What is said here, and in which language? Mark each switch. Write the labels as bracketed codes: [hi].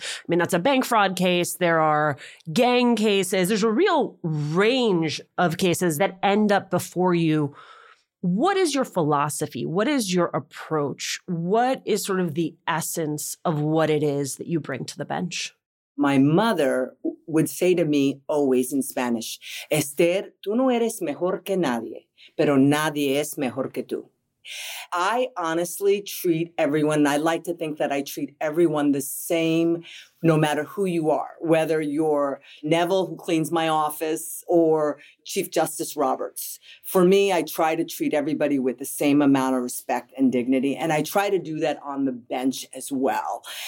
[en] I mean, that's a bank fraud case. There are gang cases. There's a real range of cases that end up before you. What is your philosophy? What is your approach? What is sort of the essence of what it is that you bring to the bench? My mother would say to me always in Spanish, Esther, [es] tú no eres mejor que nadie, pero nadie es mejor que tú. [en] I honestly treat everyone, I like to think that I treat everyone the same, no matter who you are, whether you're Neville, who cleans my office, or Chief Justice Roberts. For me, I try to treat everybody with the same amount of respect and dignity, and I try to do that on the bench as well.